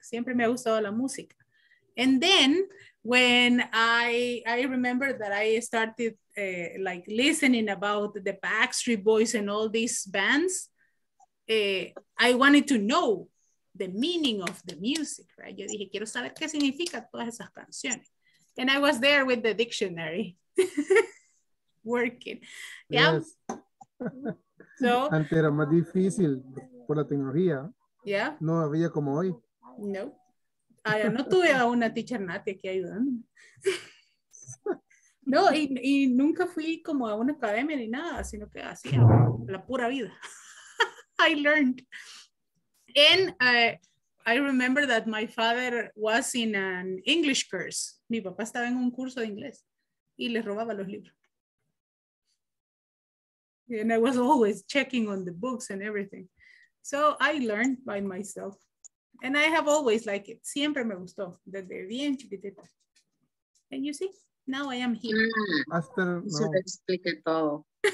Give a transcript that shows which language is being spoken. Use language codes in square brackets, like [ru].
[es] Siempre me ha gustado la música. [en] And then when I remember that I started like listening about the Backstreet Boys and all these bands, I wanted to know the meaning of the music, right? [es] Yo dije, quiero saber qué significa todas esas canciones. [en] And I was there with the dictionary, working. Yeah. [es] So, antes era más difícil por la tecnología. [en] Yeah. [es] No había como hoy. No. Ay, no tuve a una teacher Nati aquí ayudándome. No, y nunca fui como a una academia ni nada, sino que hacía la pura vida. [en] I learned. And I remember that my father was in an English course. [es] Mi papá estaba en un curso de inglés y le robaba los libros. [en] And I was always checking on the books and everything. So I learned by myself. And I have always liked it. [es] Siempre me gustó. Desde bien chiquitita. [en] And you see, now I am here. [es] Hasta no. Se te explique todo.